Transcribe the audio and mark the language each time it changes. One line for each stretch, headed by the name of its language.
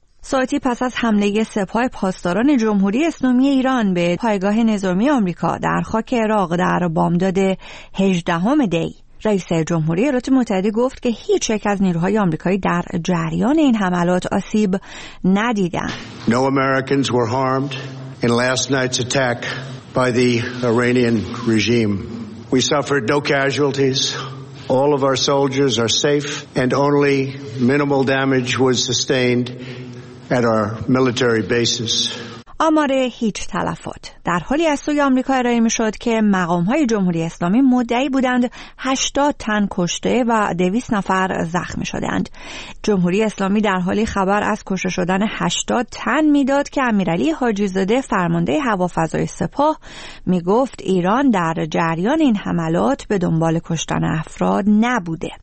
Persian: ساعتی پس از حمله سپاه پاسداران جمهوری اسلامی ایران به پایگاه نظامی آمریکا در خاک عراق در بامداد 18 دی، رئیس جمهوری ایالات متحده گفت که هیچ یک از نیروهای آمریکایی در جریان این حملات آسیب ندیدند.
English: No Americans were harmed in last night's attack by the Iranian regime. We suffered no casualties. All of our soldiers are safe and only minimal damage was sustained at our military bases.
Persian: آمار هیچ تلفات در حالی از سوی آمریکا ارائه می شد که مقام‌های جمهوری اسلامی مدعی بودند 80 تن کشته و 200 نفر زخمی شدند. جمهوری اسلامی در حالی خبر از کشته شدن 80 تن می داد که امیرعلی حاجی‌زاده فرمانده هوافضای سپاه می گفت ایران در جریان این حملات به دنبال کشتن افراد نبوده.